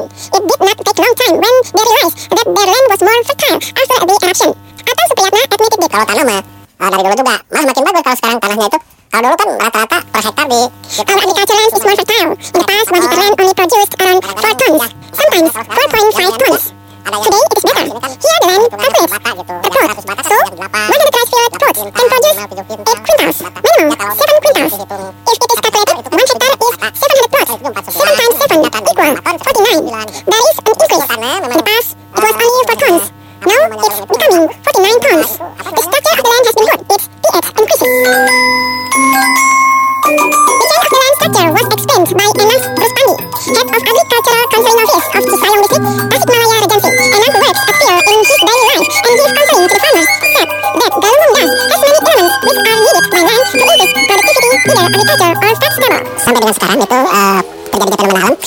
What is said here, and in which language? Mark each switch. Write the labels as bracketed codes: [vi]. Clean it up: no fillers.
[en] It did not take long time when they realized that their land was more fertile after the eruption. Atang Supriyatna admitted that [id] kalau tanah mah dari dulu juga malah makin bagus kalau sekarang tanahnya itu kalau dulu kan rata-rata per hektar di [en] our agricultural land is more fertile. In the past, 1 hektar land only produced around 4 tons, sometimes 4.5 tons. Today it is better. Here the land calculates per plot. So 100 rice field plots can produce 8 quintals, minimum 7 quintals. If it is calculated, 1 hektar is 700 plots. 7 times 7 equals 49. There is an increase. In the past, it was only 4 tons. Now it's becoming 49 tons. The structure of the land has been good. Its pH increases. The change of the land structure was explained by Anas Ruspandi, head of Agricultural Counseling Office of Cisayong District, Tasikmalaya Regency. Anas' words appear in his daily life, and his counseling to the farmers said that Galunggung land has many elements which are needed by land to increase productivity, either agriculture or fat stable. [id] Sampai dengan sekarang itu terjadi fenomena alam.